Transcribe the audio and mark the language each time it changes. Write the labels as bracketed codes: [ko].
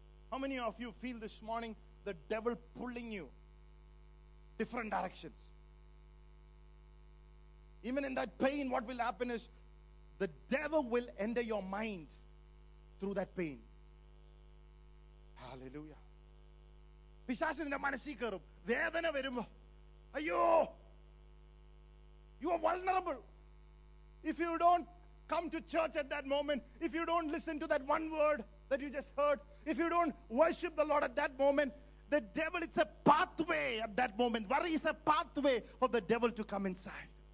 [en] How many of you feel this morning the devil pulling you different directions? Even in that pain, what will happen is the devil will enter your mind through that pain. Hallelujah. [ml] പിശാചിന്റെ മനസ്സിൽ കയറും, വേദന വരുമ്പോ അയ്യോ, [en] You are vulnerable. If you don't come to church at that moment, if you don't listen to that one word that you just heard, if you don't worship the Lord at that moment, the devil, it's a pathway at that moment. Worry is a pathway for the devil to come inside.